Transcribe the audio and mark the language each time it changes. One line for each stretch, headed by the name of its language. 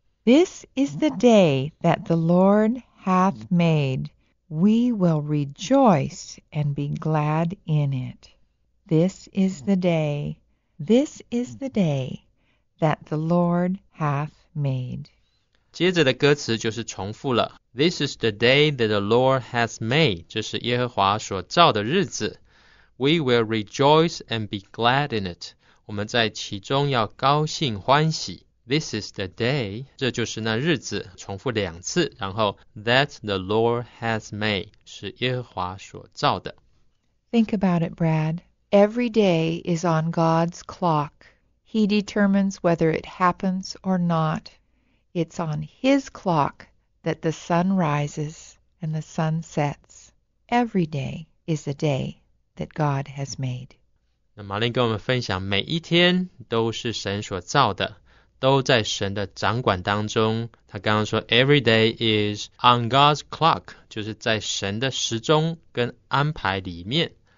English: This is the day that the Lord hath made. We will rejoice and be glad in it. This is the day that the Lord hath made.
Chinese: 接着的歌词就是重复了。
English: This is the day that the Lord hath made.
Chinese: 这是耶和华所造的日子。
English: We will rejoice and be glad in it.
Chinese: 我们在其中要高兴欢喜。
English: This is the day.
Chinese: 这就是那日子。重复两次。然后
English: That the Lord has made.
Chinese: 是耶和华所造的。
English: Think about it, Brad. Every day is on God's clock. He determines whether it happens or not. It's on His clock that the sun rises and the sun sets. Every day is a day. That God has made.
Chinese: 那玛琳跟我们分享，每一天都是神所造的，都在神的掌管当中。他刚刚说 ，
English: Every day is on God's clock，
Chinese: 就是在神的时钟跟安排里面。